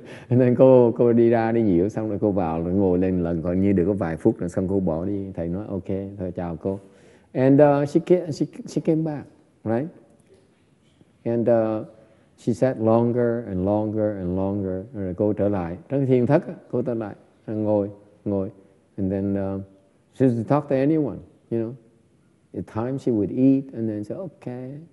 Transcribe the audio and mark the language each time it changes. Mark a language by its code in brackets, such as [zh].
[vi] Nên cô đi ra đi nhiều xong rồi cô vào rồi ngồi lên lần còn như được có vài phút rồi xong cô bỏ đi, thầy nói ok thôi chào cô. [en] And she came back, right? And she sat longer and longer and longer. [vi] Rồi cô trở lại trong thiền thất, cô trở lại ngồi. [en] And then she didn't talk to anyone, you know. At times she would eat and then say okay.